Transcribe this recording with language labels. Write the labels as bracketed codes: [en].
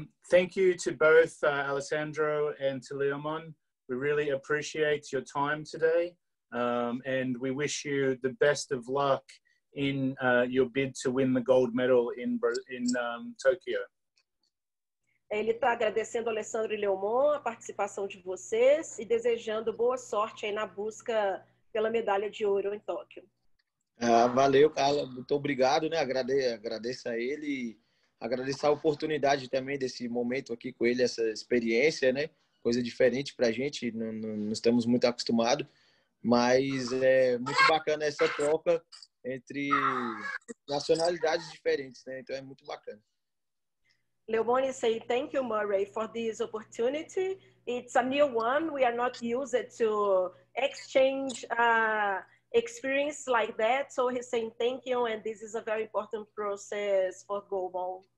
[en] Thank you to both Alessandro and to Leomon. We really appreciate your time today. And we wish you the best of luck in your bid to win the gold medal in Tokyo. [pt] Ele está agradecendo ao Alessandro e Leomon a participação de vocês e desejando boa sorte aí na busca pela medalha de ouro em Tóquio. Valeu, Carla. Muito obrigado, né? Agradeço a ele. Agradeço a oportunidade também desse momento aqui com ele, essa experiência, né? Coisa diferente para a gente, não estamos muito acostumados. Mas é muito bacana essa troca entre nacionalidades diferentes, né? Então é muito bacana. [en] Leomon is saying thank you, Murray, for this opportunity. It's a new one. We are not used to exchange experience like that. So he's saying thank you, and this is a very important process for Global.